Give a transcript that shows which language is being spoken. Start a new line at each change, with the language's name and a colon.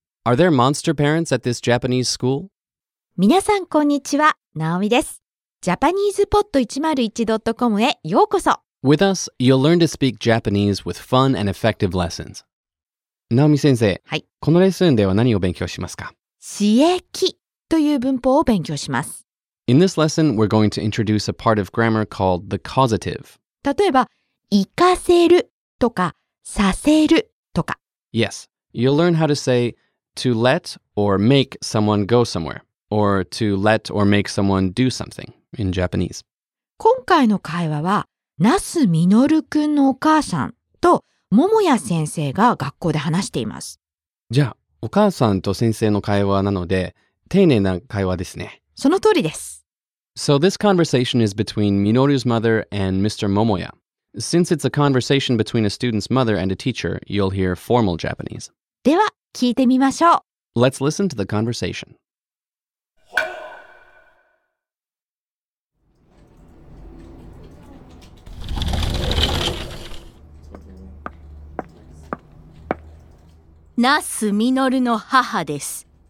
English: Are there monster parents at this Japanese school?
Japanese: 皆さんこんにちは、ナオミです。 JapanesePod101.com へようこそ。
English: With us, you'll learn to speak Japanese with fun and effective lessons.
Japanese: ナオミ先生、はい、このレッスンでは何を勉強しますか？刺激という文法を勉強します。
English: In this lesson, we're going to introduce a part of grammar called the causative.
Japanese: 例えば、行かせるとか、させるとか。
English: Yes, you'll learn how to sayTo let or make someone go somewhere, or to let or make someone do something in Japanese.
Japanese: 今回の会話は、那須実くんのお母さんと桃谷先生が学校で話しています。じゃあ、お母さんと先生の会話なので、丁寧な会話ですね。その通りです。
English: So this conversation is between Minoru's mother and Mr. Momoya. Since it's a conversation between a student's mother and a teacher, you'll hear formal Japanese.
Japanese: では、聞いてみましょう。
English: Let's listen to the conversation.
Japanese: ナスミノルの母です。